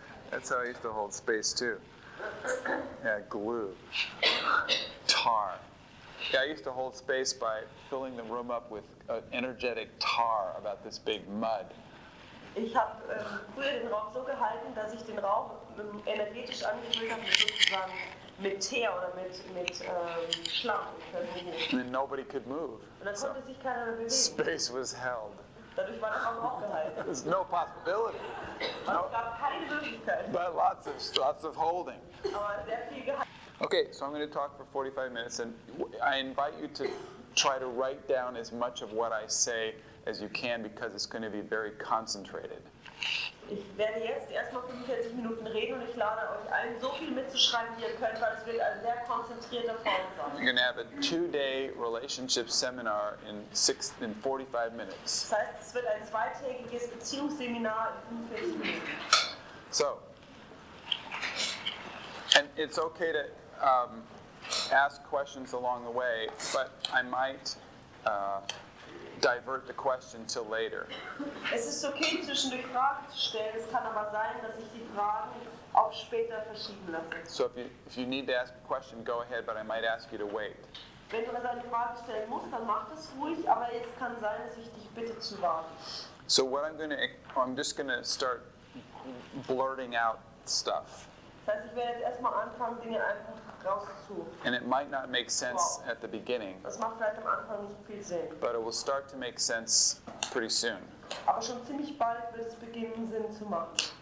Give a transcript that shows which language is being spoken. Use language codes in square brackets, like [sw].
[en] That's how I used to hold space too. Yeah, glue. Tar. Yeah, I used to hold space by filling the room up with energetic tar about this big mud. [de] Ich habe früher den Raum so gehalten, dass ich den Raum energetisch angefüllt habe, sozusagen mit Teer oder mit Schlamm. [en] And nobody could move. [de] Und dann konnte sich keiner bewegen. [en] Space was held. [de] Dadurch war der Raum auch gehalten. [en] There's no possibility. [de] Und es gab keine Möglichkeit. [en] But lots of holding. [de] Aber sehr viel gehalten. [en] Okay, so I'm going to talk for 45 minutes, and I invite you to try to write down as much of what I say as you can, because it's going to be very concentrated. [de] Ich werde jetzt erstmal 45 Minuten reden, und ich lade euch ein, so viel mitzuschreiben, wie ihr könnt, weil es wird ein sehr konzentrierter Vortrag sein. [en] You're going to have a two-day relationship seminar in 45 minutes. [de] Das heißt, es wird ein zweitägiges Beziehungsseminar in 45 Minuten. [en] So. And it's okay to ask questions along the way, but I might divert the question till later. [de] Es ist okay, zwischendurch Fragen zu stellen. Es kann aber sein, dass ich die Fragen auch später verschieben lasse. [en] So if you need to ask a question, go ahead, but I might ask you to wait. [de] Wenn du also eine Frage stellen musst, dann mach das ruhig, aber es kann sein, dass ich dich bitte zu warten. [en] So what I'm just going to start blurting out stuff. [de] Das heißt, ich werde jetzt erstmal anfangen, Dinge einfach rauszu. [en] And it might not make sense at the beginning. [de] Das macht vielleicht am Anfang nicht viel Sinn. [en] But it will start to make sense pretty soon. [de] Aber schon ziemlich bald wird es beginnen, Sinn zu machen.